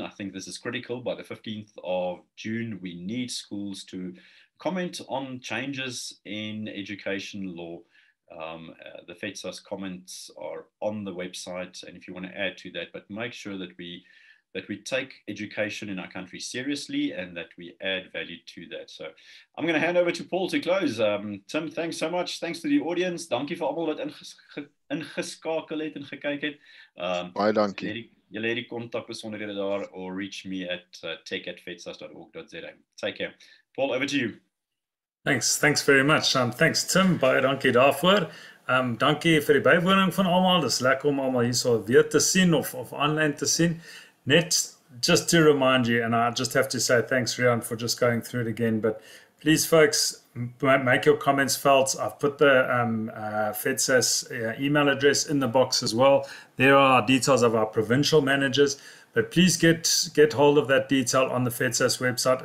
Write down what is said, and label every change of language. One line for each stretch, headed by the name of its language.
English: I think this is critical. By the 15th of June, we need schools to comment on changes in education law. The FEDSAS comments are on the website, and if you want to add to that, but make sure that we take education in our country seriously and that we add value to that. So I'm going to hand over to Paul to close. Tim, thanks so much. Thanks to the audience.
Afrikaans: Dankie vir almal wat ingeskakel het en gekyk het. Baie dankie. Julle het die kontak besonderhede daar,
English: or reach me at tech@fedsas.org.za. Take care. Paul, over to you. Thanks very much. Thanks, Tim.
Afrikaans: Baie dankie daarvoor. Dankie vir die bywoning van almal. Dis lekker om almal hier so weer te sien of online te sien.
English: Net, just to remind you, and I just have to say thanks, Riaan, for just going through it again, but please, folks, make your comments felt. I've put the FEDSAS email address in the box as well. There are details of our provincial managers, but please get hold of that detail on the FEDSAS website.